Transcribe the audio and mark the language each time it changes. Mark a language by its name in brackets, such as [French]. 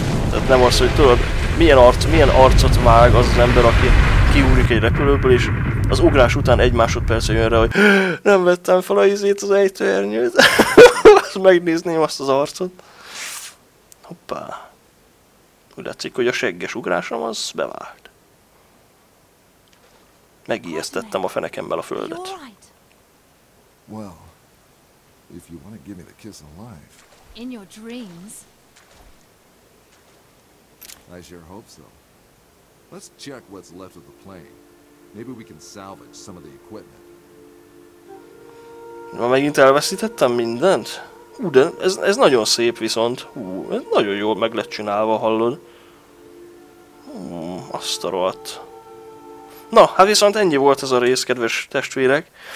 [Hungarian] Tehát nem az, hogy tudod, milyen arcot vág az az ember, aki kiugrik egy repülőből, és az ugrás után egy másodperce jön rá, hogy nem vettem fel a izét az ejtőernyőt. Megnézném azt az arcot. Hoppá. Úgy látszik, hogy a segges ugrásom az bevált. Megijesztettem a fenekemmel a földet. [English] Well, if you want to give me the kiss of life. In your dreams. I sure hope so. Let's check what's left of the plane. Maybe we can salvage some of the equipment. [Hungarian] Na, megint elveszítettem mindent. De ez nagyon szép viszont. Ez nagyon jól meg lett csinálva, hallod. Azt a rohadt. Na, hát viszont ennyi volt ez a rész, kedves testvérek.